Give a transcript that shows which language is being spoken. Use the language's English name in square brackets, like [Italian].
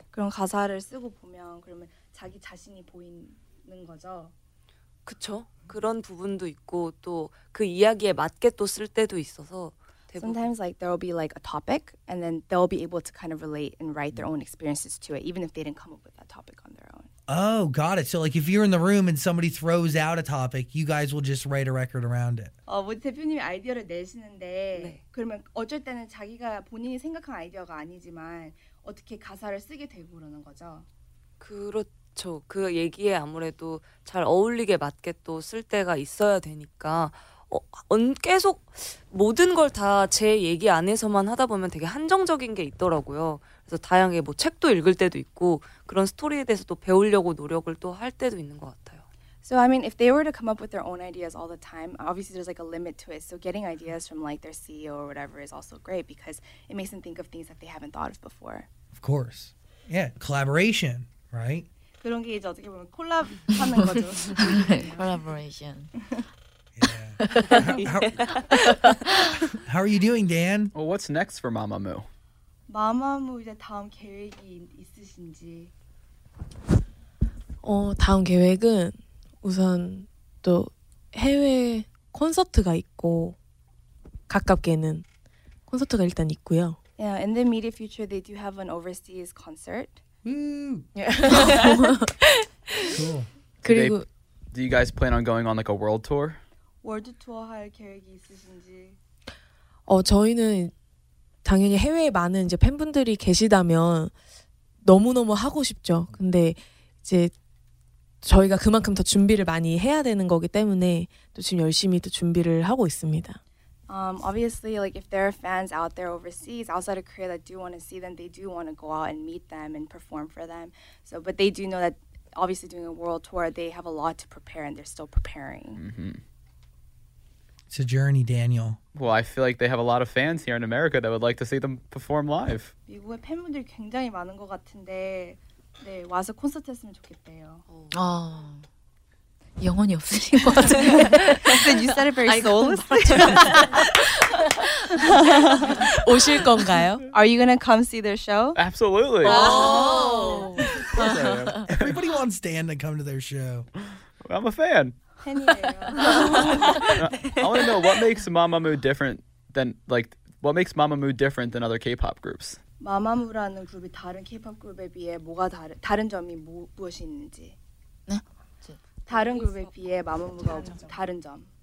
[Korean] 그런 가사를 쓰고 보면 그러면 자기 자신이 보이는 거죠? 그렇죠. 그런 부분도 있고 또 그 이야기에 맞게 또 쓸 때도 있어서 대부분. [English] Sometimes like there'll be like a topic and then they'll be able to kind of relate and write their own experiences to it even if they didn't come up with that topic on their own. Oh, got it. So like if you're in the room and somebody throws out a topic, you guys will just write a record around it. [Korean] 뭐 대표님이 아이디어를 내시는데 네. 그러면 어쩔 때는 자기가 본인이 생각한 아이디어가 아니지만 어떻게 가사를 쓰게 되고 그러는 거죠? 그렇죠. 그 얘기에 아무래도 잘 어울리게 맞게 또 쓸 때가 있어야 되니까 계속 모든 걸 다 제 얘기 안에서만 하다 보면 되게 한정적인 게 있더라고요. 그래서 다양하게 뭐 책도 읽을 때도 있고 그런 스토리에 대해서 또 배우려고 노력을 또 할 때도 있는 것 같아요. [English] So I mean, if they were to come up with their own ideas all the time, obviously there's like a limit to it. So getting ideas from like their CEO or whatever is also great because it makes them think of things that they haven't thought of before. Of course. Yeah, collaboration, right? [Korean] 그런 게 이제 어떻게 보면 콜라보하는 거죠. [English] Collaboration. Yeah. How are you doing, Dan? Well, what's next for Mamamoo? [Korean] Mamamoo 이제 다음 계획이 있으신지. 다음 계획은 우선 또 해외 콘서트가 있고 가깝게는 콘서트가 일단 있고요. [English] Yeah, in the immediate future, they do have an overseas concert. Cool. [Korean] 그리고 [English] do you guys plan on going on like a world tour? [Korean] 월드 투어 할 계획이 있으신지? 저희는 당연히 해외에 많은 이제 팬분들이 계시다면 너무너무 하고 싶죠. 근데 이제 저희가 그만큼 더 준비를 많이 해야 되는 거기 때문에 또 지금 열심히 또 준비를 하고 있습니다. [English] Obviously, like, if there are fans out there overseas, outside of Korea, that do want to see them, they do want to go out and meet them and perform for them. So, but they do know that, obviously, doing a world tour, they have a lot to prepare, and they're still preparing. Mm-hmm. It's a journey, Daniel. Well, I feel like they have a lot of fans here in America that would like to see them perform live. [Korean] 미국의 팬분들이 굉장히 많은 것 같은데, 네, 와서 콘서트 했으면 좋겠대요. 아... 영혼이 없으신 것 같은데. [English] Then you said it very soulless. [Korean] 오실 건가요? [English] Are you gonna come see their show? Absolutely. Oh. Everybody wants Dan to come to their show. I'm a fan. I want to know what makes Mamamoo different than like what makes Mamamoo different than other K-pop groups. [Korean] Mamamoo라는 그룹이 다른 K-pop 그룹에 비해 뭐가 다른 점이 무엇이 있는지. 네. 다른 그룹에 비해 마마무가 다른 점.